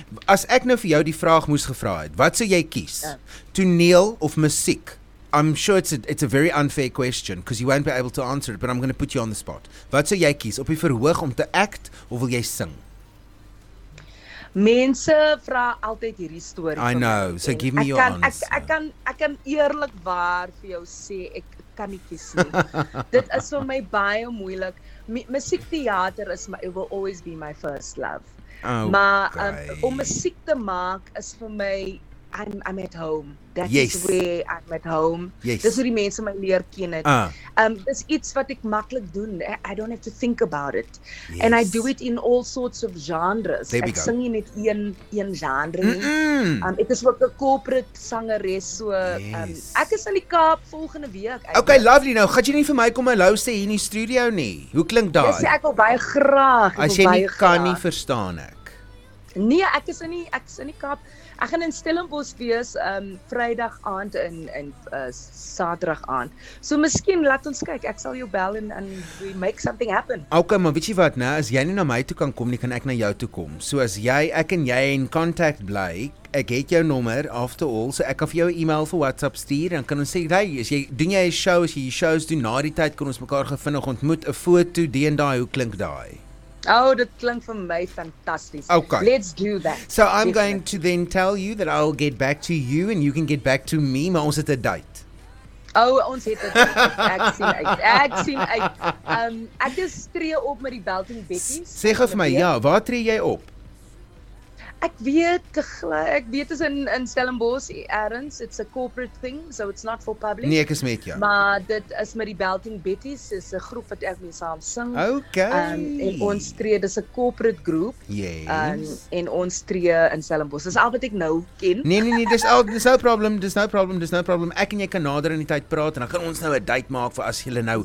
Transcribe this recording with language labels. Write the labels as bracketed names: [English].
[Afrikaans] As ek nou vir jou die vraag moes gevra het, wat sou jy kies? Toneel of musiek? [English] I'm sure it's a very unfair question because you won't be able to answer it, but I'm going to put you on the spot. [Afrikaans] Wat sou jy kies? Op die verhoog om te act of wil jy sing? Mense vra altyd hierdie storie. [English] I know. So give me your answer. [Afrikaans] Ek kan eerlikwaar vir jou sê ek kan nie kies nie. Dit is vir my baie moeilik. Musiektheater is my, [English] it will always be my first love. Oh, [Afrikaans] maar om musiek te maak is vir my [English] I'm at home. That yes. is where I'm at home. Yes. [Afrikaans] Dis hoe die mense my leer ken het. Dis iets wat ek maklik doen. [English] I don't have to think about it. Yes. And I do it in all sorts of genres. There we [Afrikaans] ek [English] go. [Afrikaans] Sing nie net een genre nie. Ek is ook 'n corporate sangeres, so ek is in die Kaap volgende week. [English] Okay, lovely. [Afrikaans] Nou, gaan jy nie vir my kom hallo sê hier in die studio nie? Hoe klink daai? Yes, ek wil baie graag. As jy nie kan nie, verstaan ek. Nee, ek is in die Kaap. Ek gaan in Stellenbosch wees Vrydag aand en Saterdag aand. So miskien laat ons kyk. Ek sal jou bel en [English] we make something happen. [Afrikaans] Okay, maar weet jy wat, nou as jy nie na my toe kan kom nie, kan ek na jou toe kom. So as jy, ek en jy in contact bly, ek het jou nommer [English] after all, [Afrikaans] so ek kan vir jou 'n e-mail vir WhatsApp stuur en kan ons sê, "Hey, as jy shows doen na die tyd, kan ons mekaar gevindig ontmoet, 'n foto, die en daai, hoe klink daai?" Oh, dit klink vir my fantasties. [English] Okay. Let's do that. So I'm definitely going to then tell you that I'll get back to you and you can get back to me, [Afrikaans] maar ons het 'n date. Oh, ons het 'n date. Ek sien uit. Ek is tree op met die Belt & Betty's. Sê gou vir my, ja, waar tree jy op? Ek weet is in Stellenbosch, [English] Arends, it's a corporate thing, so it's not for public. [Afrikaans] Nee, ek is met jou. Maar dit is met die Belt & Betty's, is 'n groep wat ek mee saam sing. [English] Okay. [Afrikaans] En ons tree, dis 'n corporate group. [English] Yes. [Afrikaans] En ons tree in Stellenbosch, dis al wat ek nou ken. Nee, dis [English] no problem. [Afrikaans] Ek en jy kan nader in die tyd praat en dan gaan ons nou 'n date maak vir as julle nou